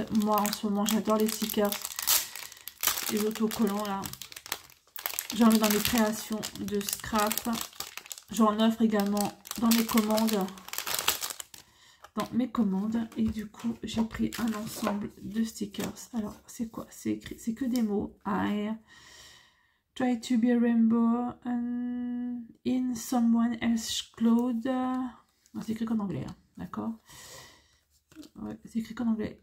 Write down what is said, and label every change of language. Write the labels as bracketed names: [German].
[French] Moi, en ce moment, j'adore les stickers. Les autocollants, là. J'en ai dans mes créations de scrap. J'en offre également dans mes commandes. Dans mes commandes. Et du coup, j'ai pris un ensemble de stickers. Alors, c'est quoi? C'est écrit. C'est que des mots. [English] I try to be a rainbow in someone else's clothes. [French] C'est écrit qu'en anglais, hein. D'accord? Ouais, c'est écrit qu'en anglais.